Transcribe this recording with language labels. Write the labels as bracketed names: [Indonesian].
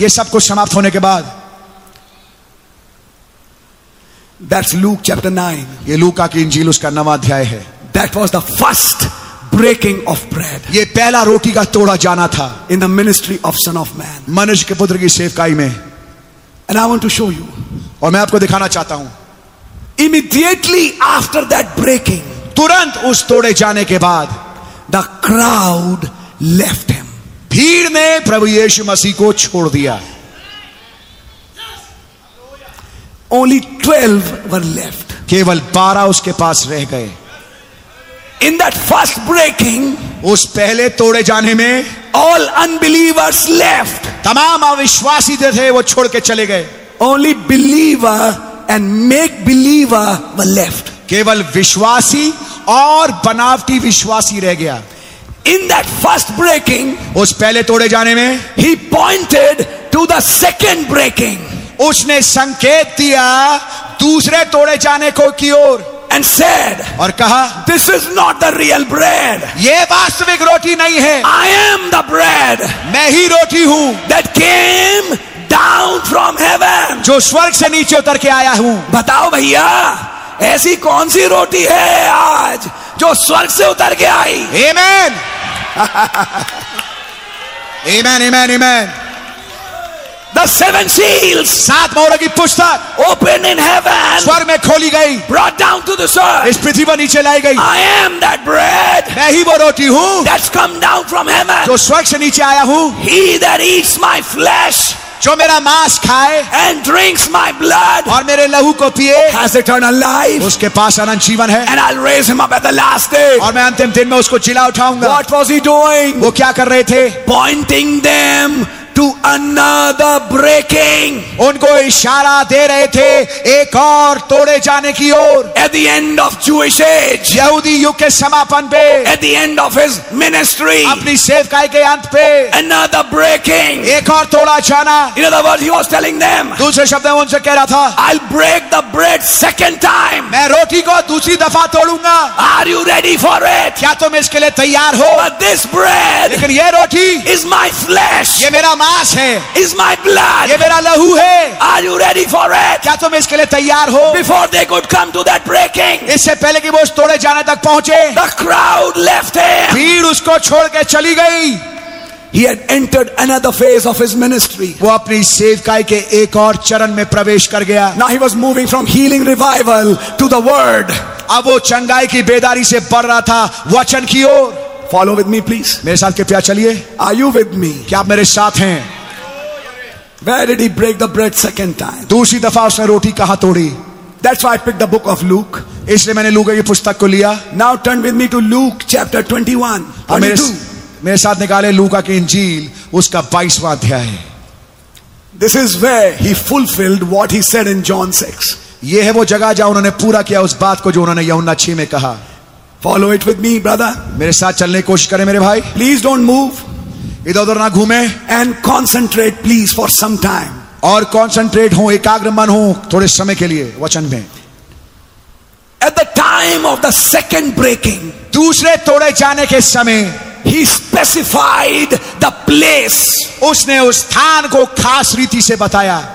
[Hindi] ये सब कुछ समाप्त होने के बाद. [English] That's Luke chapter 9. [Hindi] ये लूका की इंजील उसका नवा अध्याय है. [English] That was the first breaking of bread. [Hindi] ये पहला रोटी का तोड़ा जाना था. [English] In the ministry of Son of Man. [Hindi] मनुष्य के पुत्र की सेवकाई में. [English] And I want to show you. [Hindi] और मैं आपको दिखाना चाहता हूं. [English] Immediately after that breaking, [Hindi] तुरंत उस तोड़े जाने के बाद, [English] the crowd left him. [Hindi] भीड़ ने प्रभु यीशु मसीह को छोड़ दिया. [English] Only 12 were left. [Hindi] केवल 12 उसके पास रह गए. [English] In that first breaking, [Hindi] उस पहले तोड़े जाने में, [English] all unbelievers left. [Hindi] तमाम अविश्वासी जो थे वो छोड़ के चले गए. [English] Only believer and make believer were left. [Hindi] केवल विश्वासी और बनावटी विश्वासी रह गया. [English] In that first breaking, [Hindi] उस पहले तोड़े जाने में, [English] he pointed to the second breaking. [Hindi] उसने संकेत दिया दूसरे तोड़े जाने को की ओर. [English] And said, [Hindi] और कहा, [English] this is not the real bread. [Hindi] ये वास्तविक रोटी नहीं है. [English] I am the bread. [Hindi] मैं ही रोटी हूं. [English] That came down from heaven. [Hindi] जो स्वर्ग से नीचे उतर के आया हूं. बताओ भैया, ऐसी कौन सी रोटी है आज जो स्वर्ग से उतर के आई? [English] Amen. Amen. Amen. Amen. The seven seals. [Hindi] सात मोहरों की पुस्तक. [English] Open in heaven. [Hindi] स्वर्ग में खोली गई. [English] Brought down to the earth. [Hindi] इस पृथ्वी पर नीचे लाई गई. [English] I am that bread. [Hindi] मैं ही वो रोटी हूँ. [English] That's come down from heaven. [Hindi] जो स्वर्ग से नीचे आया हूँ. [English] He that eats my flesh. [Hindi] जो मेरा मांस खाए. [English] And drinks my blood. [Hindi] और मेरे लहू को पिए. [English] Has eternal life. [Hindi] उसके पास अनंत जीवन है. [English] And I'll raise him up at the last day. [Hindi] और मैं अंतिम दिन में उसको जिला उठाऊंगा. [English] What was he doing? [Hindi] वो क्या कर रहे थे? [English] Pointing them to another breaking. [Hindi] उनको इशारा दे रहे थे एक और तोड़े जाने की ओर. [English] At the end of Jewish age. [Hindi] यहूदी युग के समापन पे. [English] At the end of his ministry. [Hindi] अपनी सेवकाई के अंत पे. [English] Another breaking. [Hindi] एक और तोड़ा जाना. [English] In other words, he was telling them. [Hindi] दूसरे शब्द में उनसे कह रहा था. [English] I'll break the bread second time. [Hindi] मैं रोटी को दूसरी दफा तोड़ूंगा. [English] Are you ready for it? [Hindi] क्या तुम इसके लिए तैयार हो? [English] But this bread. [Hindi] लेकिन ये रोटी. [English] Is my flesh. [Hindi] ये मेरा मास है. [English] Is my blood. [Hindi] ये मेरा लहू है. [English] Are you ready for it? [Hindi] क्या तुम इसके लिए तैयार हो? [English] Before they could come to that breaking. [Hindi] इससे पहले कि वो उस तोड़े जाने तक पहुंचे. [English] The crowd left him. [Hindi] भीड़ उसको छोड़ के चली गई. [English] He had entered another phase of his ministry. [Hindi] वो अपनी सेवकाई के एक और चरण में प्रवेश कर गया. [English] Now he was moving from healing revival to the word. [Hindi] अब वो चंगाई की बेदारी से बढ़ रहा था वचन की ओर. [English] Follow with me, please. [Hindi] मेरे साथ कृपया चलिए. [English] Are you with me? [Hindi] क्या आप मेरे साथ हैं? [English] Where did he break the bread second time? [Hindi] दूसरी दफा उसने रोटी कहाँ तोड़ी? [English] That's why I picked the book of Luke. [Hindi] इसलिए मैंने लूका की पुस्तक को लिया. [English] Now turn with me to Luke chapter 21. [Hindi] और मेरे साथ निकाले लूका की इंजील उसका 22वां अध्याय है. [English] This is where he fulfilled what he said in John 6. [Hindi] ये है वो जगह जहाँ उन्होंने पूरा किया उस बात को जो उन्होंने यूहन्ना 6 में कहा. [English] Follow it with me, brother. [Hindi] मेरे साथ चलने की कोशिश करें मेरे भाई. [English] Please don't move. [Hindi] इधर उधर ना घूमें. [English] And concentrate, please, for some time. [Hindi] और कॉन्सेंट्रेट हूं, एकाग्र मन हूं थोड़े समय के लिए वचन में. [English] at the time of the second breaking, [Hindi] दूसरे तोड़े जाने के समय, [English] He specified the place. [Hindi] उसने उस स्थान को खास रीति से बताया.